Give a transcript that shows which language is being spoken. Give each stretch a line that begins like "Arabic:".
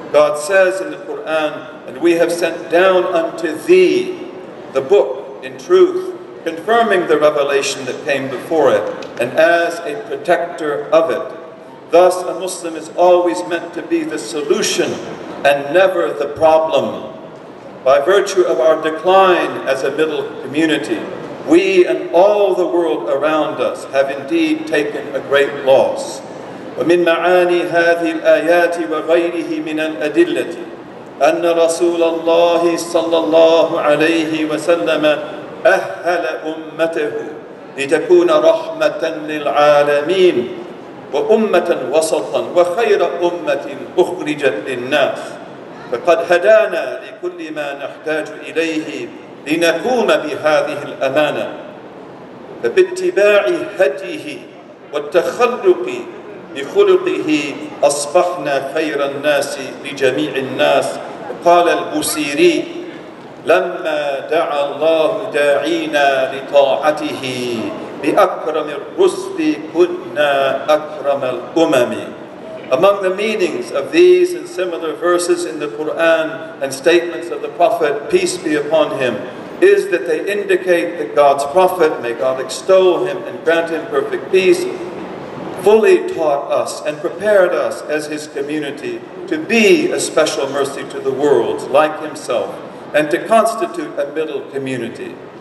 English: God says in the Quran, and we have sent down unto thee the book in truth, confirming the revelation that came before it, and as a protector of it. Thus, a Muslim is always meant to be the solution and never the problem. By virtue of our decline as a middle community, we and all the world around us have indeed taken a great loss.
Arabic: ومن معاني هذه الآيات وغيره من الأدلة أن رسول الله صلى الله عليه وسلم أهل أمته لتكون رحمة للعالمين وأمة وسطا وخير أمة أخرجت للناس. فقد هدانا لكل ما نحتاج إليه لنقوم بهذه الأمانة، فباتباع هديه والتخلق بخلقه أصبحنا خير الناس لجميع الناس. قال البوسيري: لما دعا الله داعينا لطاعته بأكرم الرسل كنا أكرم الأمم.
English: Among the meanings of these and similar verses in the Quran and statements of the Prophet, peace be upon him, is that they indicate that God's Prophet, may God extol him and grant him perfect peace, fully taught us and prepared us as his community to be a special mercy to the world like himself and to constitute a middle community.